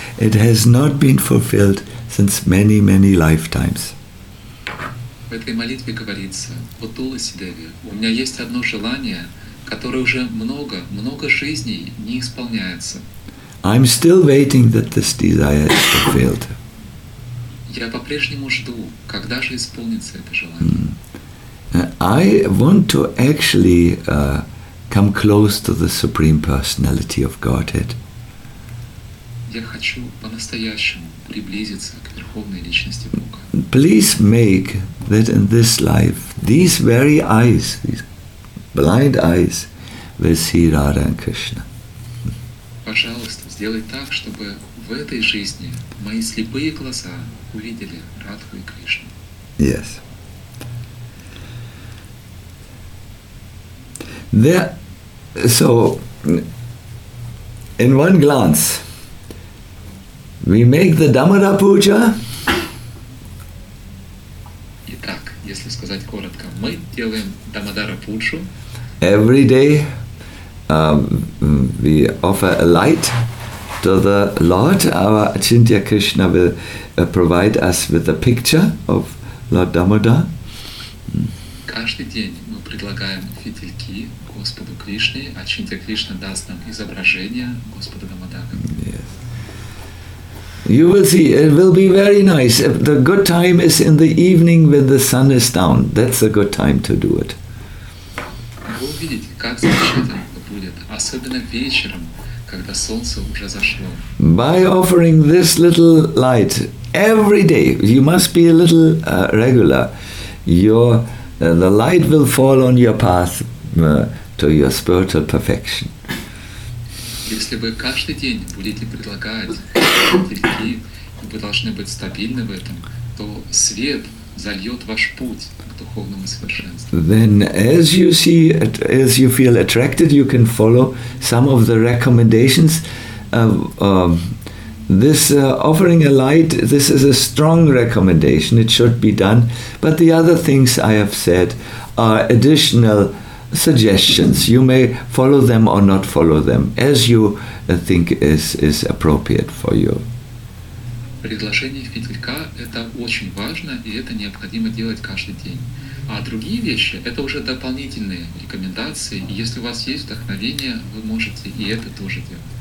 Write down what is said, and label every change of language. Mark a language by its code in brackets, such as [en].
[en] It has not been fulfilled since many, many lifetimes. [ru] В этой молитве говорится, о Туласи Деви, у меня есть одно желание, которое уже много, много жизней не исполняется. [en] I'm still waiting that this desire is fulfilled. [ru] Я по-прежнему жду, когда же исполнится это желание. [en] I want to actually come close to the Supreme Personality of Godhead. [ru] Я хочу по-настоящему приблизиться к Верховной Личности Бога. [en] Please make that in this life these very eyes, these blind eyes, will see Radha and Krishna. [ru] Пожалуйста, сделай так, чтобы в этой жизни мои слепые глаза увидели Радху и Кришну. [en] Yes. There, so, in one glance, we make the Dhammara Puja. [ru] Итак, если сказать коротко, мы делаем Дамодара Пуджу. [en] Every day we offer a light to the Lord. Our Achintya Krishna will provide us with a picture of Lord Dhammara. [ru] Каждый день мы предлагаем фитильки Господу Кришне. Ачинтья Кришна даст нам изображение Господа Дамодара. [en] Yes. You will see, it will be very nice. The good time is in the evening when the sun is down. That's a good time to do it. [ru] Вы увидите, как замечательно будет, особенно вечером, когда солнце уже зашло. [en] By offering this little light every day, you must be a little regular. The light will fall on your path to your spiritual perfection. [ru] Если вы каждый день будете предлагать, и вы должны быть стабильны в этом, то свет зальет ваш путь к духовному совершенству. [en] Then, as you see, as you feel attracted, you can follow some of the recommendations. Offering a light, this is a strong recommendation. It should be done. But the other things I have said are additional suggestions. You may follow them or not follow them, as you think is appropriate for you. [ru] Предложение фитилька – это очень важно, и это необходимо делать каждый день. А другие вещи – это уже дополнительные рекомендации. Если у вас есть вдохновение, вы можете и это тоже делать.